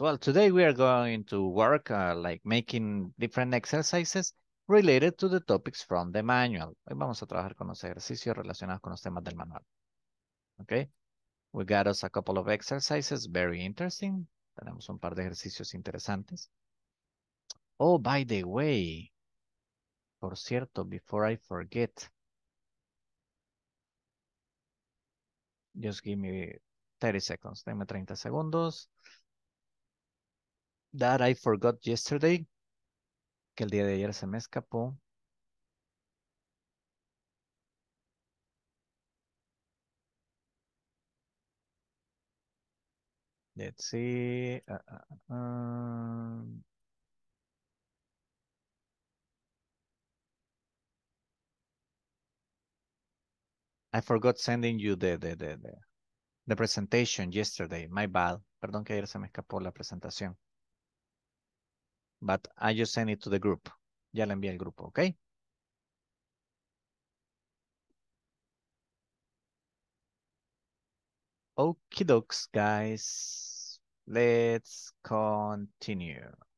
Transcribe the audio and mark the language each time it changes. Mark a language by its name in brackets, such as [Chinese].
[English] Well, today we are going to work like making different exercises related to the topics from the manual. [Spanish] Hoy vamos a trabajar con los ejercicios relacionados con los temas del manual. [English] Okay. We got us a couple of exercises, very interesting. [Spanish] Tenemos un par de ejercicios interesantes. [English] Oh, by the way, [Spanish] por cierto, [English] before I forget, just give me 30 seconds, [Spanish] denme 30 segundos. [English] That I forgot yesterday, [Spanish] que el día de ayer se me escapó. [English] Let's see. I forgot sending you the presentation yesterday. My bad. [Spanish] Perdón que ayer se me escapó la presentación. [English] But I just sent it to the group. [Spanish] Ya le envié al grupo, okay? [English] Okie dokes, guys. Let's continue.